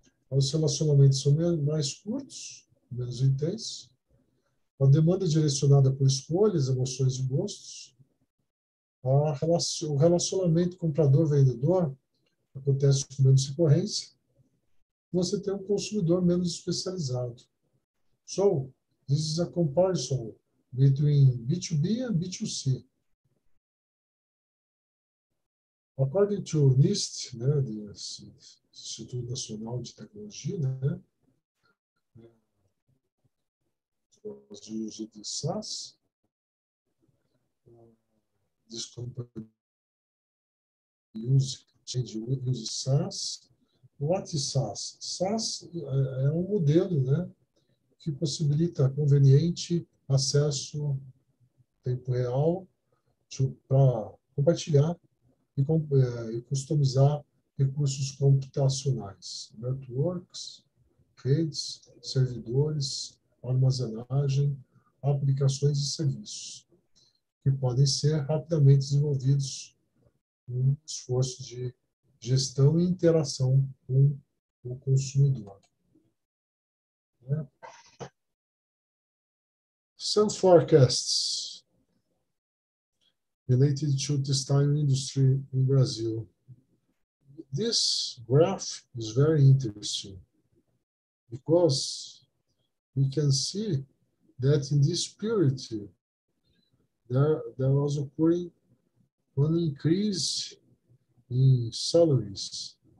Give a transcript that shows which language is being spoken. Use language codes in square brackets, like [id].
[pt] Os relacionamentos são mais curtos, menos intensos, a demanda é direcionada por escolhas, emoções e gostos, o relacionamento comprador-vendedor acontece com menos recorrência, você tem um consumidor menos especializado. [en] So, this is a comparison between B2B and B2C. According to NIST, né, the [pt] Instituto Nacional de Tecnologia, né, de SaaS, [en] this company use SaaS. What is SaaS? [pt] SaaS é um modelo, né, que possibilita conveniente acesso tempo real para compartilhar e customizar recursos computacionais, networks, redes, servidores, armazenagem, aplicações e serviços que podem ser rapidamente desenvolvidos com esforço de gestão e interação com o consumidor. [en] Some forecasts related to the textile industry in Brazil. This graph is very interesting because we can see that in this period there was occurring an increase in salaries.